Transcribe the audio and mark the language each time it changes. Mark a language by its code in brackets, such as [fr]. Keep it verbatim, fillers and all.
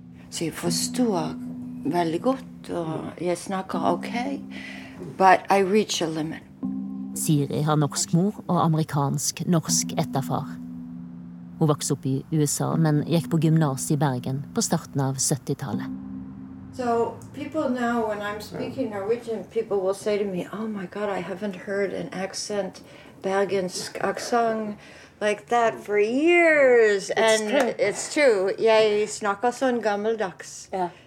[no] Så jeg forstår veldig godt, og jeg snakker ok, [en] but I reach a limit. [no] Siri har norsk mor og amerikansk-norsk etterfar. Hun vokste opp i U S A, men gikk på gymnas i Bergen på starten av syttitallet. [en] So people now, when I'm speaking Norwegian, people will say to me, "Oh my God, I haven't heard an accent, Bergensk accent, like that for years." It's and true. It's true. [no] Jeg snakker sånn gammeldags, yeah.